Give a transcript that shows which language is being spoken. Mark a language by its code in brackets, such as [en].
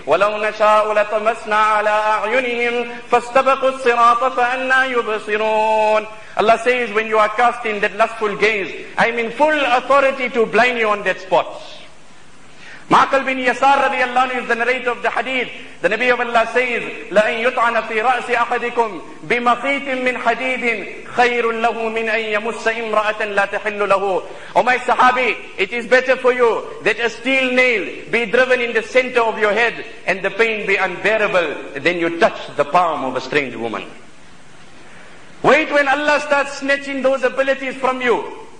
[ar] وَلَوْ نَشَاءُ لَطَمَسْنَا عَلَىٰ أَعْيُنِهِمْ فَاسْتَبَقُوا الصِّرَاطَ فَأَنَّا يُبْصِرُونَ. [en] Allah says, when you are casting that lustful gaze, I am in full authority to blind you on that spot. Ma'qal bin Yasar radiallahu anhu is the narrator of the hadith. The Nabi of Allah says, [ar] لَأَنْ يُطْعَنَ فِي رَأْسِ أَحَدِكُمْ بِمَخِيطٍ مِّنْ حَدِيدٍ خَيْرٌ لَهُ مِنْ أَنْ يَمُسَّ إِمْرَأَةً لَا تَحِلُّ لَهُ. [en] O my Sahabi, it is better for you that a steel nail be driven in the center of your head and the pain be unbearable than you touch the palm of a strange woman. Wait when Allah starts snatching those abilities from you.